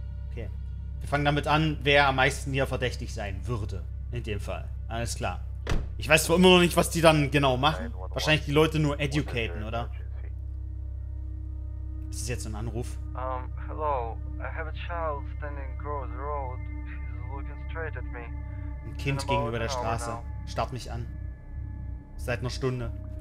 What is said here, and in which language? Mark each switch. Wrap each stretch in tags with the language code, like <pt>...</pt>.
<de>Okay. Wir fangen damit an, wer am meisten hier verdächtig sein würde. In dem Fall. Alles klar. Ich weiß zwar immer noch nicht, was die dann genau machen. Wahrscheinlich die Leute nur educaten, oder? Das ist jetzt so ein Anruf.</de> <en>Hello. I have a child standing across the road. She's looking straight at me.</en> <de>Ein Kind gegenüber der Straße. Starrt mich an. Seit einer Stunde.</de>